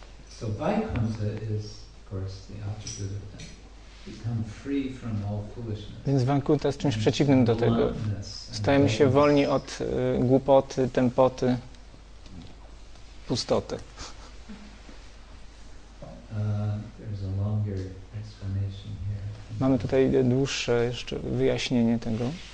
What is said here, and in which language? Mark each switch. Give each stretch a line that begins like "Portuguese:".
English: So Vaikuntha is, of course, the opposite of that. Become free from all foolishness.
Polish: Więc Vaikuntha jest czymś przeciwnym do tego. Stajemy się wolni od głupoty, tępoty, pustoty.
English: There's a longer explanation here.
Polish: Mamy tutaj dłuższe jeszcze wyjaśnienie tego.